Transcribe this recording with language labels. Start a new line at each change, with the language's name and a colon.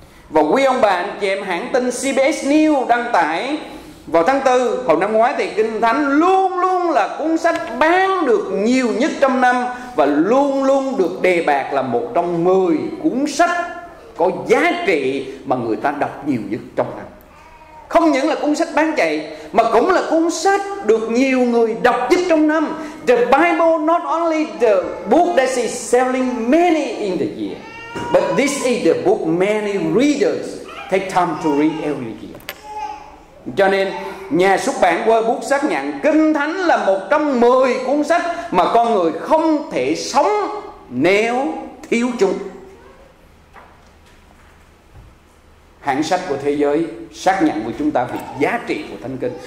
Vietnamese: Và quý ông bà anh chị em, hãng tin CBS News đăng tải vào tháng 4 hồi năm ngoái thì Kinh Thánh luôn luôn là cuốn sách bán được nhiều nhất trong năm và luôn luôn được đề bạt là một trong 10 cuốn sách có giá trị mà người ta đọc nhiều nhất trong năm. Không những là cuốn sách bán chạy mà cũng là cuốn sách được nhiều người đọc nhất trong năm.
English: The Bible not only the book that is selling many in the year, but this is the book many readers take time to read every year.
Vietnamese: Cho nên nhà xuất bản World Book xác nhận Kinh Thánh là một trong 10 cuốn sách mà con người không thể sống nếu thiếu chúng. Hãng sách của thế giới xác nhận với chúng ta về giá trị của Thánh Kinh.